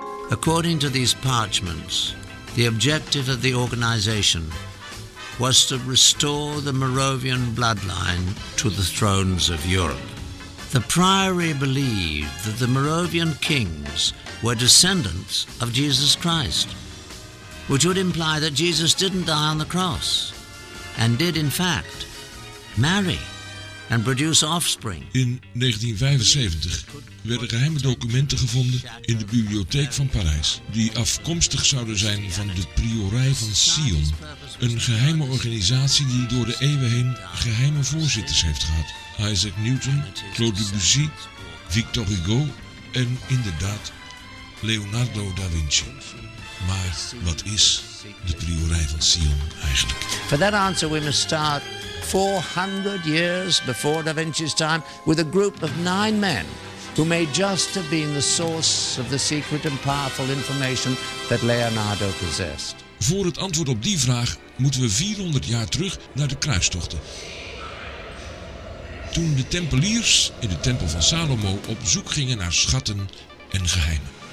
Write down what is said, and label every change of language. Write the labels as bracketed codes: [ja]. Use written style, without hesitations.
[en] According to these parchments, the objective of the organization was to restore the Moravian bloodline to the thrones of Europe. The Priory believed that the Moravian kings were descendants of Jesus Christ, which would imply that Jesus didn't die on the cross, and did in fact marry and produce offspring. [nl] In 1975 werden geheime documenten gevonden in de bibliotheek van Parijs, die afkomstig zouden zijn van de Priorij van Sion, een geheime organisatie die door de eeuwen heen geheime voorzitters heeft gehad. Isaac Newton, Claude Debussy, Victor Hugo en inderdaad Leonardo da Vinci. Maar wat is de Priorij van Sion eigenlijk? [en] For that answer we must start 400 years before Da Vinci's time with a group of 9 men who may just have been the source of the secret and powerful information that Leonardo possessed. [nl] Voor het antwoord op die vraag moeten we 400 jaar terug naar de kruistochten. Toen de tempeliers in de tempel van Salomo op zoek gingen naar schatten en geheimen.